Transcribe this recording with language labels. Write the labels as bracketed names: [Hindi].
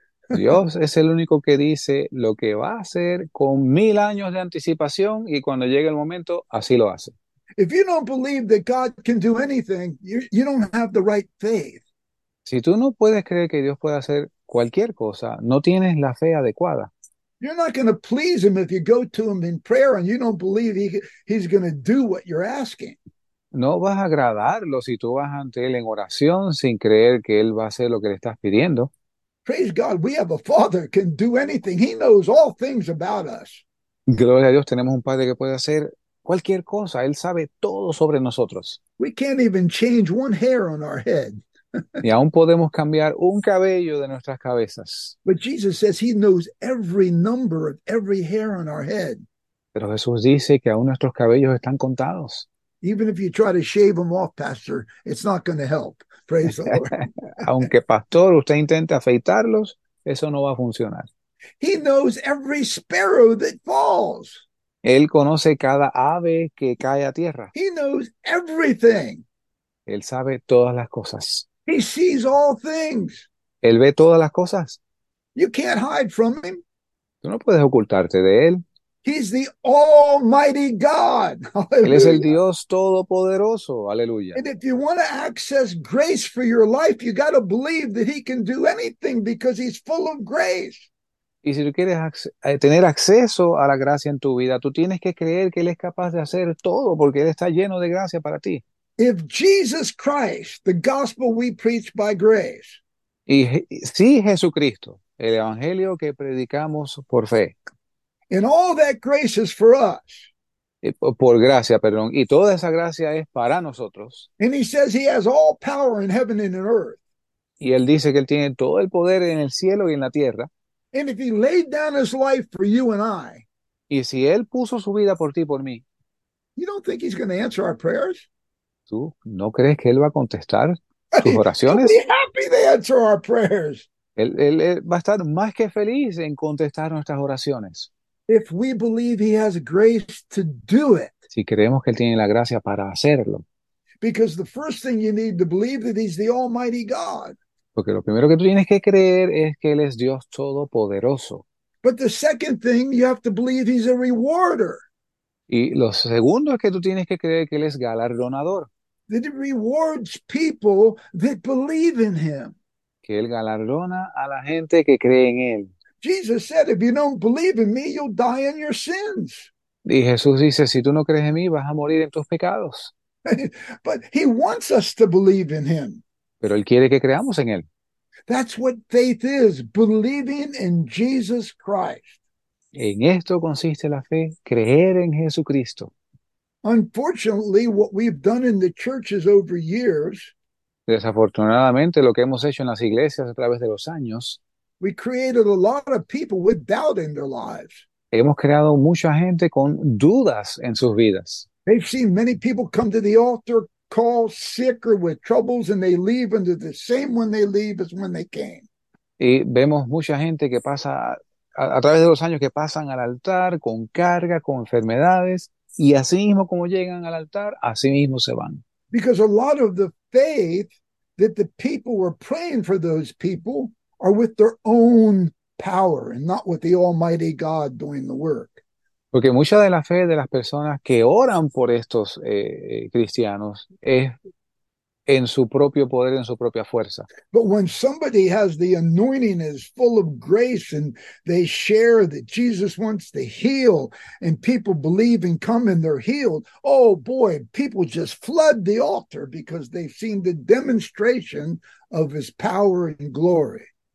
[Spanish] Dios es el único que dice lo que va a hacer con 1,000 años de anticipación, y cuando llegue el momento, así lo hace. [English] If you don't believe that God can do anything, you don't have the right faith. [Spanish] Si tú no puedes creer que Dios puede hacer cualquier cosa, no tienes la fe adecuada. [English] You're not going to please him if you go to him in prayer and you don't believe he's going to do what you're asking. [Spanish] No vas a agradarlo si tú vas ante él en oración sin creer que él va a hacer lo que le estás pidiendo. [English] Praise God, we have a father who can do anything. He knows all things about us. [Spanish] Gloria a Dios, tenemos un padre que puede hacer cualquier cosa. Él sabe todo sobre nosotros. [English] We can't even change one hair on our head. [Spanish] Y aún podemos cambiar un cabello de nuestras cabezas. [English] But Jesus says he knows every number of every hair on our head. [Spanish] Pero Jesús dice que aún nuestros cabellos están contados. [English] Even if you try to shave them off, Pastor, it's not going to help. Praise the Lord. [Spanish] Aunque pastor, usted intente afeitarlos, eso no va a funcionar. [English] He knows every sparrow that falls. [Spanish] Él conoce cada ave que cae a tierra. [English] He knows everything. [Spanish] Él sabe todas las cosas. [English] He sees all things. [Spanish] Él ve todas las cosas. [English] You can't hide from him. [Spanish] Tú no puedes ocultarte de él. [English] He's the Almighty God. [Spanish] Él es el [English] Hallelujah. [Spanish] Dios Todopoderoso. Aleluya. [English] And if you want to access grace for your life, you got to believe that he can do anything because he's full of grace. [Spanish] Y si tú quieres tener acceso a la gracia en tu vida, tú tienes que creer que Él es capaz de hacer todo porque Él está lleno de gracia para ti. [English] If Jesus Christ, the gospel we preach by grace, [Spanish] Y si Jesucristo, el Evangelio que predicamos por fe, [English] and all that grace is for us. [Spanish] por gracia, perdón, y toda esa gracia es para nosotros. [English] And he says he has all power in heaven and in earth. [Spanish] Y Él dice que Él tiene todo el poder en el cielo y en la tierra. [English] And if he laid down his life for you and I, [Spanish] Y si Él puso su vida por ti, por mí, [English] you don't think he's going to answer our prayers? [Spanish] ¿tú no crees que Él va a contestar tus [English] He'll be [Spanish] oraciones? [English] happy to answer our prayers. [Spanish] Él va a estar más que feliz en contestar nuestras oraciones. [English] If we believe he has grace to do it. [Spanish] Si creemos que Él tiene la gracia para hacerlo. [English] Because the first thing you need to believe that he's the Almighty God. [Spanish] Porque lo primero que tú tienes que creer es que Él es Dios Todopoderoso. [English] But the second thing, you have to believe he's a rewarder. [Spanish] Y lo segundo es que tú tienes que creer que Él es galardonador. [English] That he rewards people that believe in him. [Spanish] Que Él galardona a la gente que cree en Él. [English] Jesus said, if you don't believe in me, you'll die in your sins. [Spanish] Y Jesús dice, si tú no crees en mí, vas a morir en tus pecados. [English] But he wants us to believe in him. [Spanish] Pero Él quiere que creamos en Él. [English] That's what faith is, believing in Jesus Christ. [Spanish] En esto consiste la fe, creer en Jesucristo. [English] Unfortunately, what we've done in the churches over years, [Spanish] Desafortunadamente, lo que hemos hecho en las iglesias a través de los años, [English] we created a lot of people with doubt in their lives. [Spanish] hemos creado mucha gente con dudas en sus vidas. [English] They've seen many people come to the altar, call sick or with troubles, and they leave, and they're the same when they leave as when they came. [Spanish] Y vemos mucha gente que pasa a través de los años que pasan al altar con carga, con enfermedades, y así mismo como llegan al altar, así mismo se van. [English] Because a lot of the faith that the people were praying for those people are with their own power and not with the Almighty God doing the work. [Spanish] Porque mucha de la fe de las personas que oran por estos cristianos es en su propio poder, en su propia fuerza. [English] But when somebody has the anointing is full of grace and they share that Jesus wants to heal and people believe and come and they're healed, oh boy, people just flood the altar because they've seen the demonstration of his power and glory.